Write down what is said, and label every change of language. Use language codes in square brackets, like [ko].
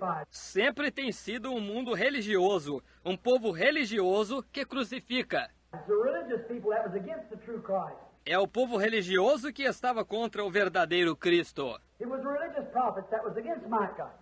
[pt] Sempre tem sido um mundo religioso, um povo religioso que crucifica. [en] It's a religious people that was against the true Christ. [pt] É o povo religioso que estava contra o verdadeiro Cristo. [en] It was religious prophets that was against Micah.